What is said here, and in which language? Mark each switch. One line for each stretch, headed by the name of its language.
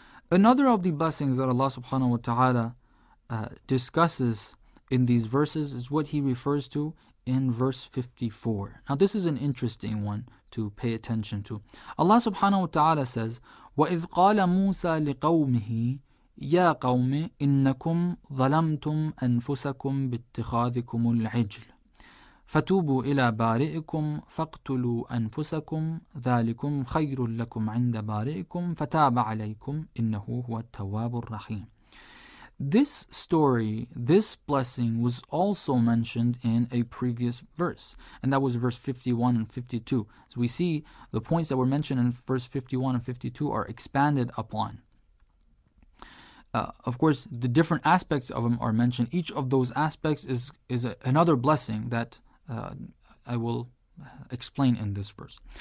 English: Another of the blessings that Allah subhanahu wa ta'ala discusses in these verses is what he refers to in verse 54. Now this is an interesting one to pay attention to. Allah subhanahu wa ta'ala says,
Arabic: وَإِذْ قَالَ مُوسَى لِقَوْمِهِ يَا قَوْمِ إِنَّكُمْ ظَلَمْتُمْ أَنفُسَكُمْ بِاتِّخَاذِكُمُ الْعِجْلِ فَتُوبُوا إِلَى بَارِئِكُمْ فَاقْتُلُوا أَنفُسَكُمْ ذَلِكُمْ خَيْرٌ لَكُمْ عِنْدَ بَارِئِكُمْ فَتَابَ عَلَيْكُمْ إِنَّهُ هُوَ التَّوَّابُ الرَّحِيمُ.
English: This story, this blessing was also mentioned in a previous verse, and that was verse 51 and 52. So we see the points that were mentioned in verse 51 and 52 are expanded upon. Of course, the different aspects of them are mentioned. Each of those aspects is another blessing that I will explain in this verse.